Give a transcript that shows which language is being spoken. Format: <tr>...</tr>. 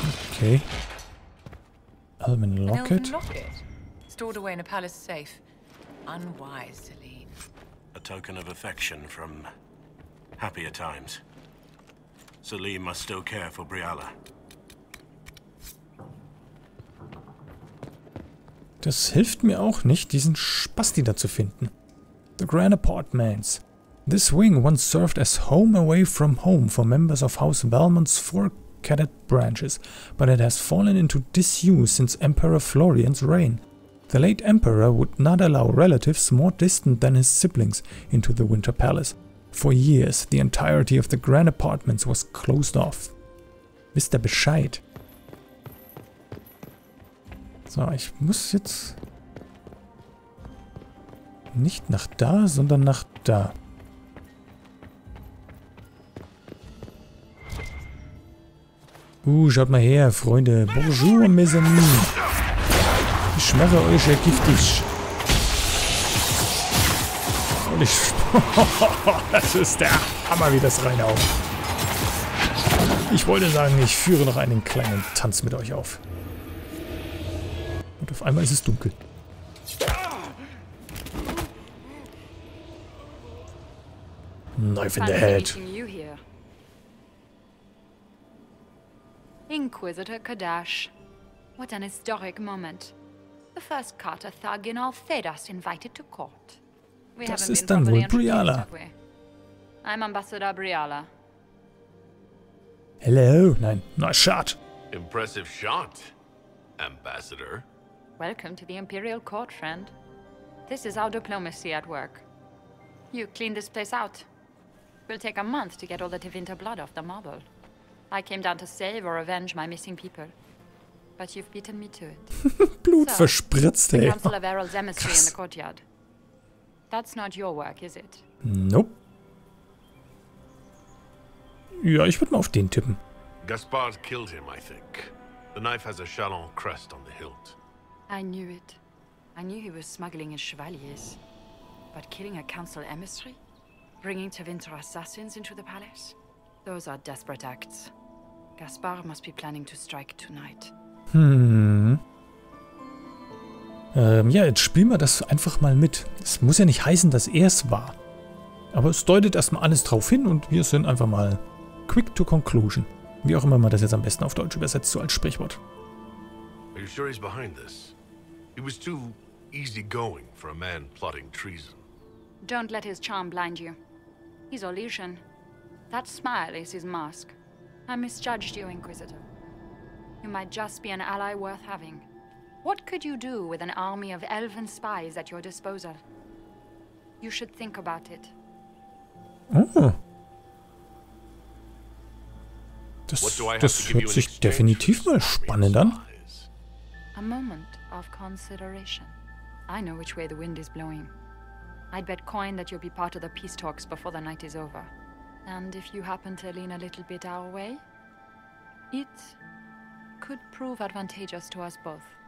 <en>Okay. Elven Locket. Stored away in a palace safe. Unwisely. A token of affection from happier times. Selim must still care for Briala.</en> <de>Das hilft mir auch nicht, diesen Spasti da zu finden.</de> <en>The Grand Apartments. This wing once served as home away from home for members of House Valmont's four cadet branches, but it has fallen into disuse since Emperor Florian's reign. The late Emperor would not allow relatives more distant than his siblings into the Winter Palace. For years, the entirety of the Grand Apartments was closed off.</en> <de>Wisst ihr Bescheid? So, ich muss jetzt nicht nach da, sondern nach da. Schaut mal her, Freunde.</de> <fr>Bonjour, mes amis.</fr> <de>Ich schmecke euch giftig. Und ich... Das ist der Hammer, wie das reinhaut. Ich wollte sagen, ich führe noch einen kleinen Tanz mit euch auf. Und auf einmal ist es dunkel.</de> <en>Knife in the head. Inquisitor Kadash. What an historic moment. The first Carter thug in all Thedas invited to court.</en> <de>We das ist dann wohl Briala.</de> <en>I'm Ambassador Briala. Hello. Nein, nice shot. Impressive shot, Ambassador. Welcome to the Imperial Court, friend. This is our diplomacy at work. You clean this place out. We'll take a month to get all the Tevinter blood off the marble. I came down to save or avenge my missing people. But you've beaten me to it.</en> <de>Blut so, verspritzt, ey.</de> <en>The Council of Errol Zemestry in the courtyard. That's not your work, is it? Nope.</en> <de>Ja, ich würde mal auf den tippen.</de> <en>Gaspard killed him, I think. The knife has a Chalon crest on the hilt. I knew it. I knew he was smuggling his chevaliers. But killing a council emissary? Bringing Tevinter assassins into the palace? Those are desperate acts. Gaspar must be planning to strike tonight.</en> <de>Ja, jetzt spielen wir das einfach mal mit. Es muss ja nicht heißen, dass er es war. Aber es deutet erstmal alles drauf hin und wir sind einfach mal</de> <en>quick to conclusion.</en> <de>Wie auch immer man das jetzt am besten auf Deutsch übersetzt, so als Sprichwort.</de> <en>Are you sure he's behind this? He was too easy going for a man plotting treason. Don't let his charm blind you. He's illusion. That smile is his mask. I misjudged you, Inquisitor. You might just be an ally worth having. What could you do with an army of elven spies at your disposal? You should think about it. Oh.</en> <de>Das hört sich definitiv mal spannend an.</de> <en>A moment of consideration. I know which way the wind is blowing. I'd bet coin that you'll be part of the peace talks before the night is over. And if you happen to lean a little bit our way, it could prove advantageous to us both.</en>